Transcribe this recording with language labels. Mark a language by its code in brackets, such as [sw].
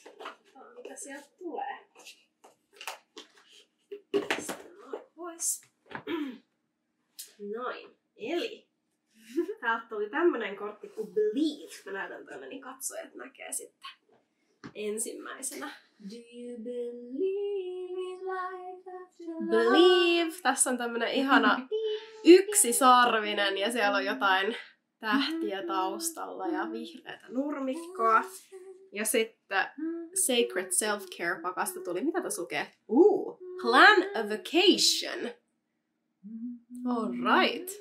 [fi] Katsotaan, mitä sieltä tulee. Sitten noin pois. Noin. Eli täältä tuli tämmönen kortti kuin Believe. Mä näytän tuonne, niin katsojat näkee sitten ensimmäisenä. [en] Do you believe in life after love? Believe. [fi] Tässä on tämmönen ihana yksisarvinen ja siellä on jotain tähtiä taustalla ja vihreätä nurmikkoa. Ja sitten Sacred Self-Care -pakasta tuli. Mitä tässä lukee? [en] Plan a vacation. Alright.